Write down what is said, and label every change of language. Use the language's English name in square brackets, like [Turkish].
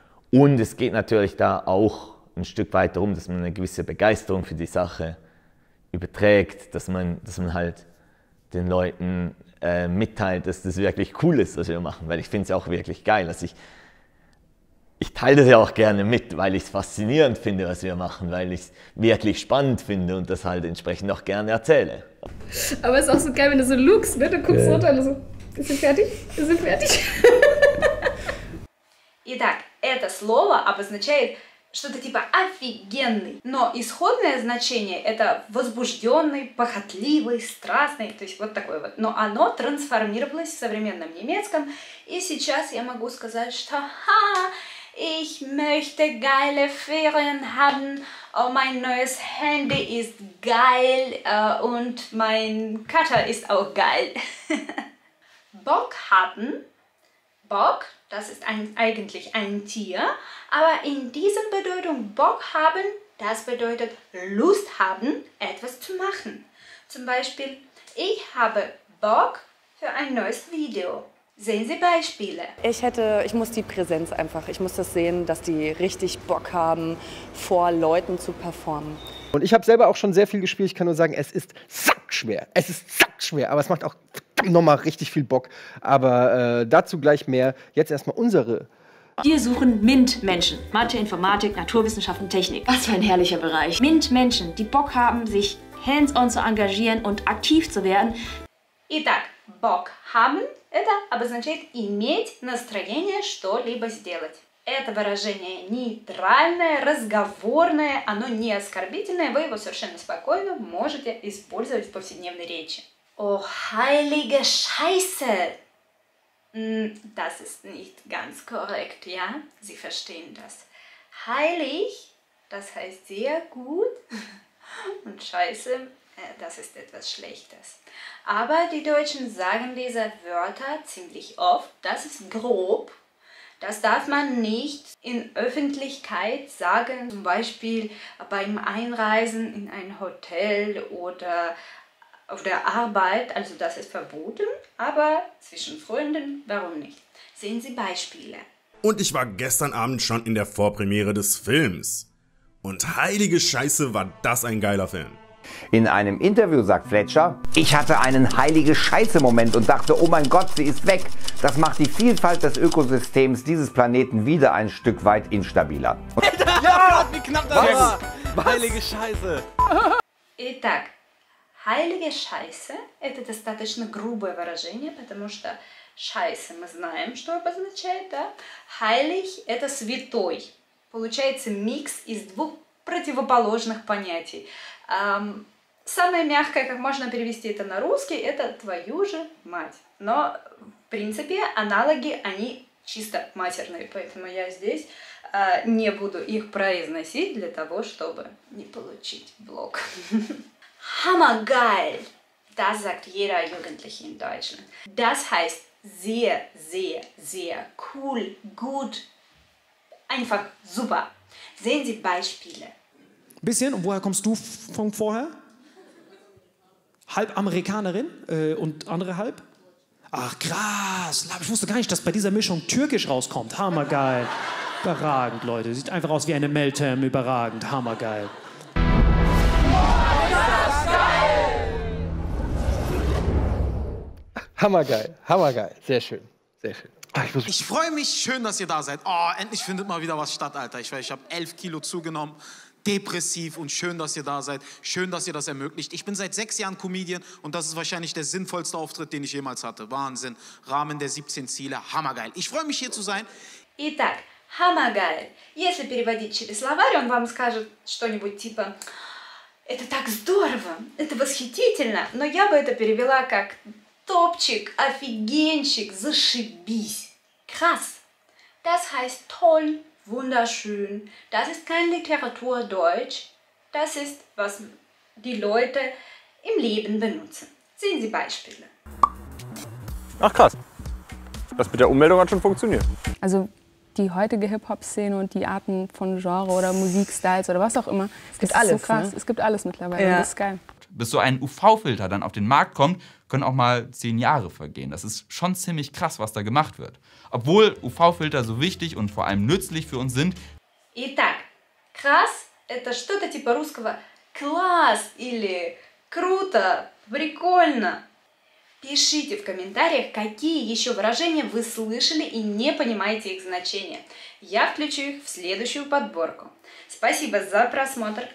[German] Und es geht natürlich da auch ein Stück weit darum, dass man eine gewisse Begeisterung für die Sache überträgt, dass man halt den Leuten mitteilt, dass das wirklich cool ist, was wir machen, weil ich finde es ja auch wirklich geil. Also ich teile das ja auch gerne mit, weil ich es faszinierend finde, was wir machen, weil ich es wirklich spannend finde und das halt entsprechend auch gerne erzähle. Aber es ist auch so geil, wenn du so lookst, ne? Du guckst runter und so, wir sind fertig. [Russian] Итак, это слово обозначает что-то типа офигенный. Но исходное значение – это возбужденный, похотливый, страстный. То есть вот такое вот. Но оно трансформировалось в современном немецком. И сейчас я могу сказать, что [German] «Ha, ich möchte geile Ferien haben. Oh, mein neues Handy ist geil. Und mein Kater ist auch geil». Bock haben. Bock. Das ist eigentlich ein Tier, aber in dieser Bedeutung Bock haben, das bedeutet Lust haben, etwas zu machen. Zum Beispiel, ich habe Bock für ein neues Video. Sehen Sie Beispiele. Ich muss die Präsenz einfach, ich muss das sehen, dass die richtig Bock haben, vor Leuten zu performen. Und ich habe selber auch schon sehr viel gespielt, ich kann nur sagen, es ist sackschwer, es ist sackschwer, aber es macht auch nochmal richtig viel Bock. Aber dazu gleich mehr, jetzt erstmal unsere. Wir suchen MINT-Menschen, Mathe, Informatik, Naturwissenschaften, Technik. Was für ein herrlicher Bereich. MINT-Menschen, die Bock haben, sich hands-on zu engagieren und aktiv zu werden. [Russian] Итак, Bock haben, это обозначает иметь настроение что-либо сделать. Это выражение нейтральное, разговорное, оно не оскорбительное. Вы его совершенно спокойно можете использовать в повседневной речи. [German] О, heilige Scheiße! Das ist nicht ganz korrekt, ja? Sie verstehen das. Heilig, das heißt sehr gut. Und Scheiße, das ist etwas Schlechtes. Aber die Deutschen sagen diese Wörter ziemlich oft. Das ist grob. Das darf man nicht in Öffentlichkeit sagen, zum Beispiel beim Einreisen in ein Hotel oder auf der Arbeit. Also das ist verboten, aber zwischen Freunden, warum nicht? Sehen Sie Beispiele. Und ich war gestern Abend schon in der Vorpremiere des Films. Und heilige Scheiße, war das ein geiler Film. In einem Interview sagt Fletcher, ich hatte einen heilige Scheiße-Moment und dachte, oh mein Gott, sie ist weg. Das macht die Vielfalt des Ökosystems dieses Planeten wieder ein Stück weit instabiler. Ja, Gott, wie knapp das war! Heilige Scheiße! [Russian] Итак, heilige Scheiße – это достаточно грубое выражение, потому что Scheiße мы знаем, что обозначает, да? Heilig – это святой. Получается микс из двух противоположных понятий. Самое мягкое, как можно перевести это на русский, это «твою же мать». Но, в принципе, аналоги, они чисто матерные, поэтому я здесь Не буду их произносить для того, чтобы не получить блок. [German] Hammergeil! Das sagt jeder Jugendliche in Deutschland. Das heißt sehr, sehr, sehr cool, gut, einfach super. Sehen Sie Beispiele. Bisschen, und woher kommst du von vorher? Halb Amerikanerin und andere halb? Ach krass, ich wusste gar nicht, dass bei dieser Mischung Türkisch rauskommt. Hammergeil. Überragend, Leute. Sieht einfach aus wie eine Meltem. Überragend. Hammergeil. Hammergeil, hammergeil. Sehr schön, sehr schön. Ich freue mich, schön, dass ihr da seid. Oh, endlich findet mal wieder was statt, Alter. Ich habe 11 Kilo zugenommen, depressiv, und schön, dass ihr da seid. Schön, dass ihr das ermöglicht. Ich bin seit 6 Jahren Comedian und das ist wahrscheinlich der sinnvollste Auftritt, den ich jemals hatte. Wahnsinn. Rahmen der 17 Ziele, hammergeil. Ich freue mich, hier zu sein. [Russian] Итак, hammergeil. Если переводить через словарь, он вам скажет что-нибудь типа... Это так здорово, это восхитительно, но я бы это перевела как... Топчик, офигенчик, зашибись. [German] Krass. Das heißt toll, wunderschön. Das ist kein Literaturdeutsch. Das ist, was die Leute im Leben benutzen. Sehen Sie Beispiele. Ach krass. Das mit der Ummeldung hat schon funktioniert. Also die heutige Hip-Hop-Szene und die Arten von Genre oder Musikstyles oder was auch immer. Es gibt alles, so krass. Ne? Es gibt alles mittlerweile. Ja. Und das ist geil. Bis so ein UV-Filter dann auf den Markt kommt, können auch mal 10 Jahre vergehen. Das ist schon ziemlich krass, was da gemacht wird. Obwohl UV-Filter so wichtig und vor allem nützlich für uns sind. [Russian] Итак, krass – это что-то типа русского «класс» или «круто», «прикольно». Пишите в комментариях, какие еще выражения вы слышали и не понимаете их значения. Я включу их в следующую подборку. Спасибо за просмотр.